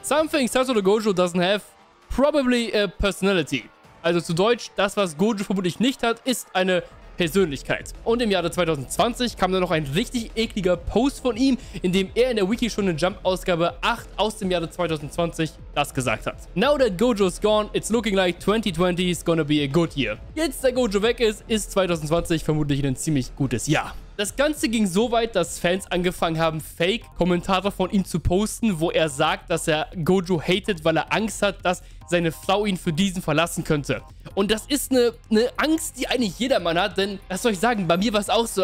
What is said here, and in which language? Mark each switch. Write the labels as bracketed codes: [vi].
[en] Something Satoru Gojo doesn't have probably a personality. [de] Also zu Deutsch, das was Gojo vermutlich nicht hat, ist eine Persönlichkeit. Und im Jahre 2020 kam dann noch ein richtig ekliger Post von ihm, in dem er in der Wiki Shonen Jump Ausgabe 8 aus dem Jahre 2020 das gesagt hat. [en] Now that Gojo's gone, it's looking like 2020 is gonna be a good year. [de] Jetzt, da Gojo weg ist, ist 2020 vermutlich ein ziemlich gutes Jahr. Das Ganze ging so weit, dass Fans angefangen haben, Fake-Kommentare von ihm zu posten, wo er sagt, dass er Gojo hatet, weil er Angst hat, dass seine Frau ihn für diesen verlassen könnte. Und das ist eine Angst, die eigentlich jedermann hat, denn, was soll ich sagen, bei mir war es auch so.